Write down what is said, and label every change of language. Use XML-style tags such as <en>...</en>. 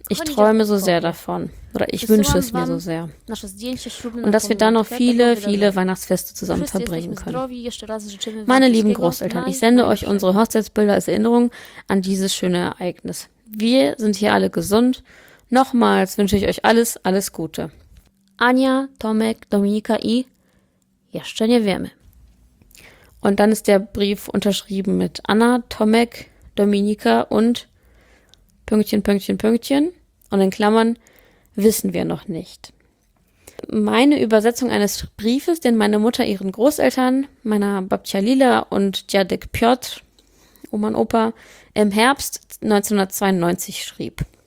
<de>Ich träume so sehr davon. Oder ich wünsche es mir so sehr. Und dass wir dann noch viele, viele Weihnachtsfeste zusammen verbringen können. Meine lieben Großeltern, ich sende euch unsere Hochzeitsbilder als Erinnerung an dieses schöne Ereignis. Wir sind hier alle gesund. Nochmals wünsche ich euch alles, alles Gute.</de> <pl>Ania, Tomek, Dominika i jeszcze nie wiemy.</pl> <de>Und dann ist der Brief unterschrieben mit Anna, Tomek, Dominika und Pünktchen, Pünktchen, Pünktchen und in Klammern wissen wir noch nicht. Meine Übersetzung eines Briefes, den meine Mutter ihren Großeltern, meiner Babcia Lila und Dziadek Piotr, Oma und Opa, im Herbst 1992 schrieb.</de>